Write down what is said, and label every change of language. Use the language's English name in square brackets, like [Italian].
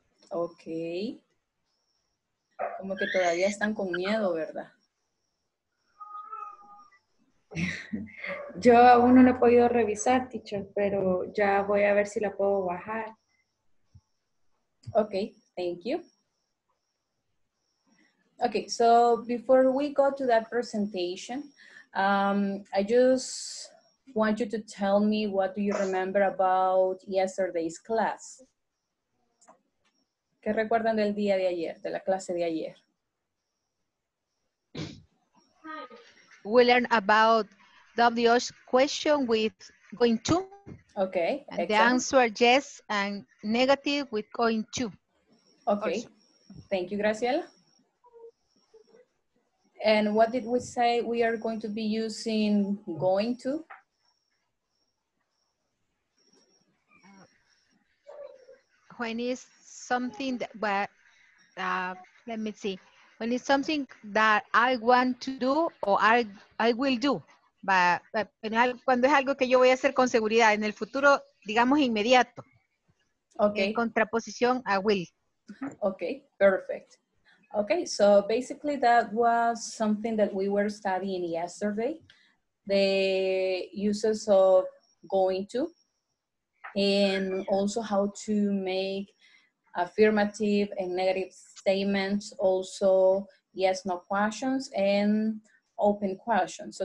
[Spanish] Okay. Como que todavía están con miedo, ¿verdad? Yo aún no la he podido revisar, teacher, pero ya voy a ver si la puedo bajar. [English] Okay, thank you. Okay, so before we go to that presentation, I just want you to tell me what do you remember about yesterday's class? [Spanish] ¿Qué recuerdan del día de ayer, de la clase de ayer? [English] We learned about W's question with going to. Okay. And the answer yes and negative with going to. Okay. Also. Thank you, Graciela. And what did we say we are going to be using going to? When is something when it's something that I want to do or I will do. [Spanish] Cuando es algo que yo voy a hacer con seguridad en el futuro, digamos inmediato. [English] Okay. [Spanish] En contraposición a will. [English] Okay, perfect. Okay, so basically that was something that we were studying yesterday. The uses of going to and also how to make affirmative and negative statements, also yes, no questions and open questions.